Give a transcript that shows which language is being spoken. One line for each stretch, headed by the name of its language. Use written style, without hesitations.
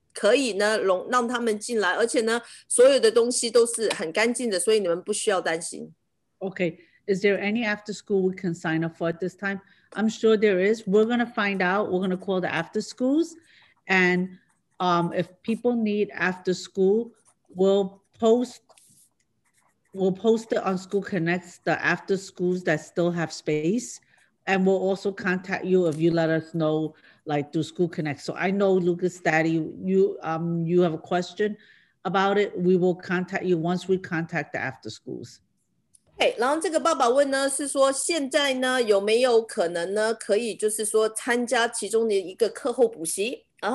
Chinese: 可以呢，让他们进来，而且呢，所有的东西都是很干净的，所以你们不需要担心。
English: Okay, Is there any after school we can sign up for at this time? I'm sure there is. We're going to find out. We're going to call the after schools. And if people need after school, we'll post it on School Connects, the after schools that still have space. And we'll also contact you if you let us know, like through School Connects. So I know, Lucas, Daddy, you have a question about it. We will contact you once we contact the after schools.
Chinese: Okay, 然后这个爸爸问呢，是说现在呢有没有可能呢，可以就是说参加其中的一个课后补习？